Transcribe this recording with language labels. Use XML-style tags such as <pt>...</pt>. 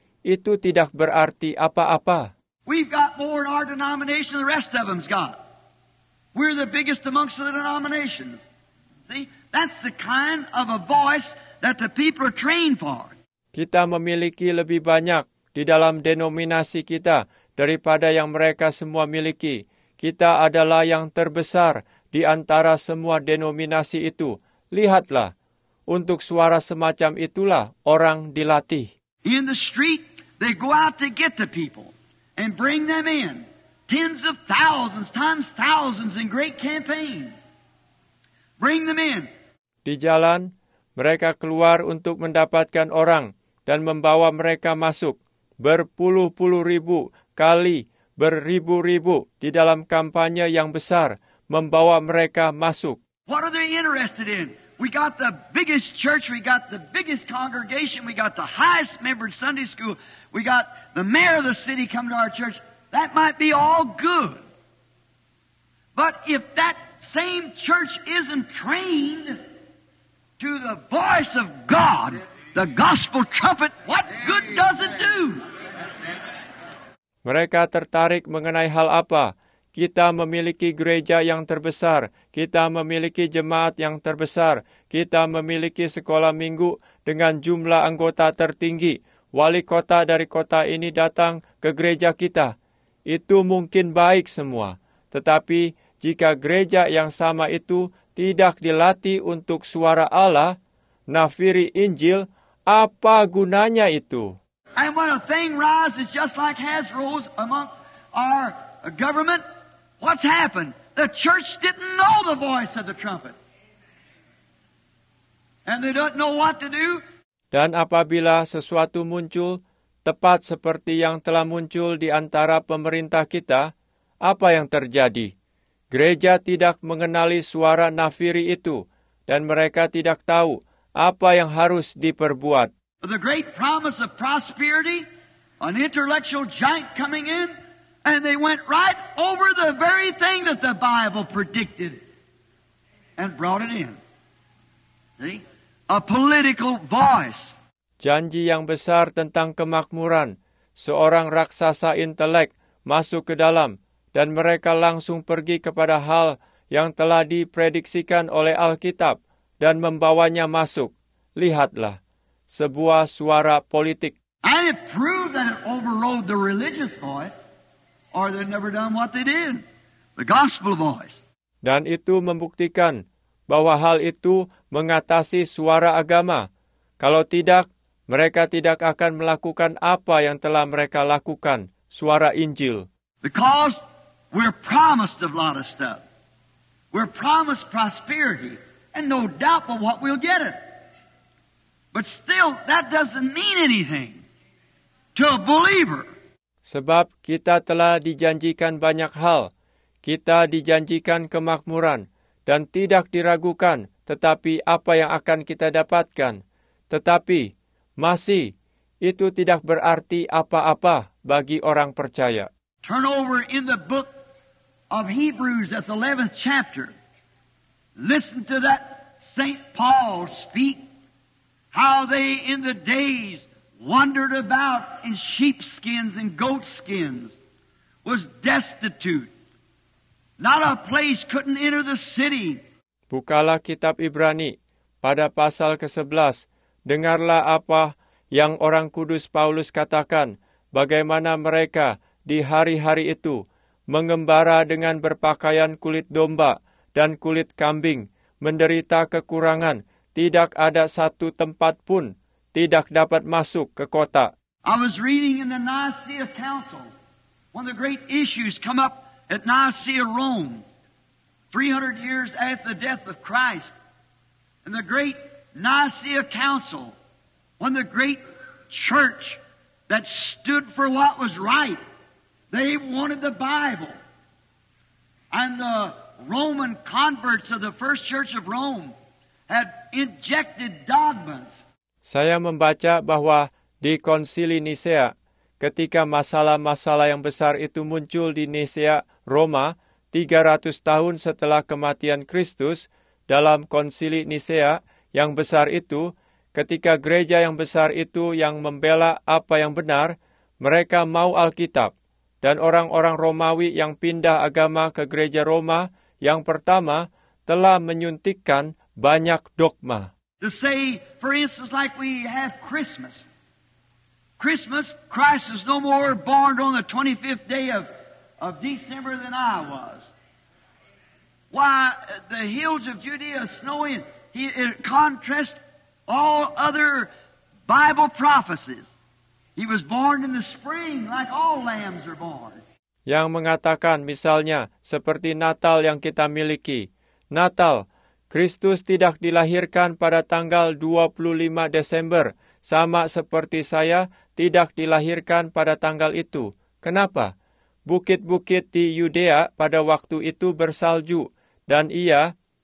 <id>Itu tidak berarti apa-apa.</id> <en>We've got more in our denomination than the rest of them's got. We're the biggest amongst the denominations. See, that's the kind of a voice that the people are trained for.</en> <id>Kita memiliki lebih banyak di dalam denominasi kita daripada yang mereka semua miliki. Kita adalah yang terbesar di antara semua denominasi itu. Lihatlah, untuk suara semacam itulah orang dilatih.</id> <en>In the street, they go out to get the people and bring them in. Tens of thousands, times thousands in great campaigns. Bring them in.</en> <id>Di jalan, mereka keluar untuk mendapatkan orang dan membawa mereka masuk berpuluh-puluh ribu kali beribu-ribu di dalam kampanye yang besar. Membawa mereka masuk.</id> <en>What are they interested in? We got the biggest church, we got the biggest congregation, we got the highest member in Sunday school, we got the mayor of the city come to our church. That might be all good. But if that same church isn't trained to the voice of God, the gospel trumpet, what good does it do?</en> <id>Mereka tertarik mengenai hal apa? Kita memiliki gereja yang terbesar, kita memiliki jemaat yang terbesar, kita memiliki sekolah minggu dengan jumlah anggota tertinggi, wali kota dari kota ini datang ke gereja kita. Itu mungkin baik semua, tetapi jika gereja yang sama itu tidak dilatih untuk suara Allah, nafiri Injil, apa gunanya itu?</id> <en>And when a thing rises just like has rose among our government, what's happened? The church didn't know the voice of the trumpet. And they don't know what to do.</en> <id>Dan apabila sesuatu muncul, tepat seperti yang telah muncul di antara pemerintah kita, apa yang terjadi? Gereja tidak mengenali suara nafiri itu, dan mereka tidak tahu apa yang harus diperbuat.</id> <en>The great promise of prosperity, an intellectual giant coming in, and they went right over the very thing that the Bible predicted and brought it in. See? A political voice.</en> <id>Janji yang besar tentang kemakmuran, seorang raksasa intelek masuk ke dalam, dan mereka langsung pergi kepada hal yang telah diprediksikan oleh Alkitab dan membawanya masuk. Lihatlah. Sebuah suara politik.</id> <en>And it proved that it overrode the religious voice, or they'd never done what they did, the gospel voice.</en> <id>Dan itu membuktikan bahwa hal itu mengatasi suara agama. Kalau tidak, mereka tidak akan melakukan apa yang telah mereka lakukan, suara Injil.</id> <en>Because we're promised a lot of stuff. We're promised prosperity, and no doubt but what we'll get it. But still, that doesn't mean anything to a believer.</en> <id>Sebab kita telah dijanjikan banyak hal. Kita dijanjikan kemakmuran dan tidak diragukan. Tetapi apa yang akan kita dapatkan? Tetapi masih itu tidak berarti apa-apa bagi orang percaya.</id> <en>Turn over in the book of Hebrews at the 11th chapter. Listen to that Saint Paul speak. How they in the days wandered about in sheepskins and goatskins, was destitute. Not a place, couldn't enter the city.</en> <id>Bukalah kitab Ibrani, pada pasal ke-11. Dengarlah apa yang orang kudus Paulus katakan, bagaimana mereka di hari-hari itu mengembara dengan berpakaian kulit domba dan kulit kambing, menderita kekurangan, tidak ada satu tempat pun tidak dapat masuk ke kota.</id> <en>I was reading in the Nicaea Council, one of the great issues come up at Nicaea, Rome, 300 years after the death of Christ. And the great Nicaea Council, one of the great church that stood for what was right, they wanted the Bible. And the Roman converts of the first church of Rome had injected dogmas.</en> <id>Saya membaca bahwa di Konsili Nicea, ketika masalah-masalah yang besar itu muncul di Nicea, Roma, 300 tahun setelah kematian Kristus, dalam Konsili Nicea yang besar itu, ketika gereja yang besar itu yang membela apa yang benar, mereka mau Alkitab. Dan orang-orang Romawi yang pindah agama ke gereja Roma yang pertama telah menyuntikkan banyak dogma.</id> <en>To say, for instance, like we have Christmas. Christmas, Christ is no more born on the 25th day of December than I was. Why, the hills of Judea snowing, it contrasts all other Bible prophecies. He was born in the spring, like all lambs are born.</en> <id>Yang mengatakan, misalnya, seperti Natal yang kita miliki. Natal, Kristus tidak dilahirkan pada tanggal 25 Desember, sama seperti saya tidak dilahirkan pada tanggal itu. Kenapa? Bukit-bukit di Yudea pada waktu itu bersalju, dan ia,</id>